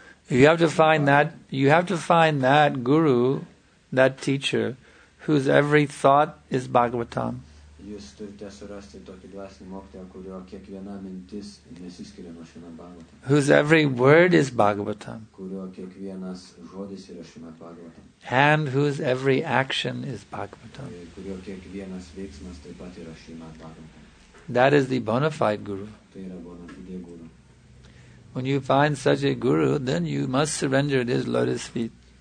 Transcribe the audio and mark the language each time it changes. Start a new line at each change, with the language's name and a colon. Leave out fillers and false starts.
English: You have to find that guru, that teacher, whose every thought is Bhagavatam.
Lithuanian: Jūs turite surasti tokį dvasinį mokytoją, kurio kiekviena mintis nesiskiria nuo Šrimad Bhagavatam.
English: Whose every word is Bhagavatam.
Lithuanian: Kurio kiekvienas žodis yra Šrimad Bhagavatam.
English: And whose every action is Bhagavatam.
Lithuanian: Kurio kiekvienas veiksmas taip pat yra Šrimad Bhagavatam.
English: That is the bona fide guru.
Lithuanian: Tai yra bona fide guru.
English: When you find such a guru, then you must surrender at his lotus feet.